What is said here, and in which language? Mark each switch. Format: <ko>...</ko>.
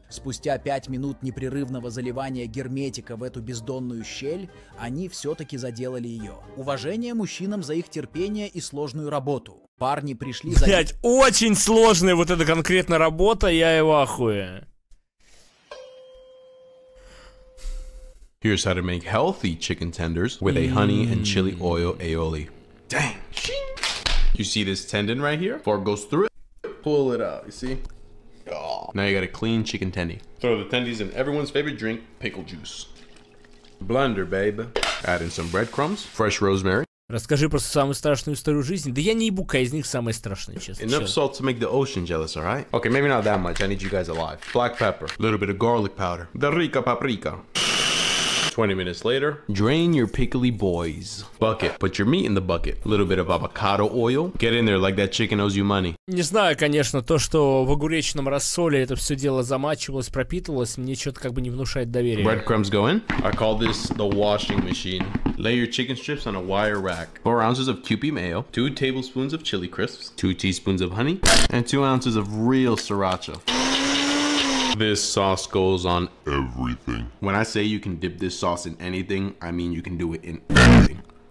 <ru>Спустя 5 минут непрерывного заливания герметика в эту бездонную щель, они все-таки заделали ее. Уважение мужчинам за их терпение и сложную работу. Парни пришли за... Блять, очень сложная вот эта конкретно работа, я его ахуе.</ru> <en>Here's how to make healthy chicken tenders with a honey and chili oil aioli. Dang. You see this tendon right here? Fork goes through it. Pull it out, you see? Oh. Now you got a clean chicken tendy. Throw the tendies in everyone's favorite drink, pickle juice. Blender, babe. Add in some breadcrumbs, fresh rosemary.</en> <ru>Расскажи просто самую страшную историю жизни. Да я не ебу, какая из них самая страшная, честно.</ru> <en>Enough salt to make the ocean jealous, alright? Okay, maybe not that much. I need you guys alive. Black pepper. Little bit of garlic powder. The rica paprika. 20 minutes later, drain your pickly boys. Bucket. Put your meat in the bucket. Little bit of avocado oil. Get in there like that chicken owes you money.</en> <ru>Не знаю, конечно, то, что в огуречном рассоле это все дело замачивалось, пропитывалось, мне что-то как бы не внушает доверия.</ru> <en>Breadcrumbs go in. I call this the washing machine. Lay your chicken strips on a wire rack. 4 ounces of QP mayo. 2 tablespoons of chili crisps. 2 teaspoons of honey. And 2 ounces of real sriracha. This sauce goes on everything. When I say you can dip this sauce in anything, I mean you can do it in everything.</en>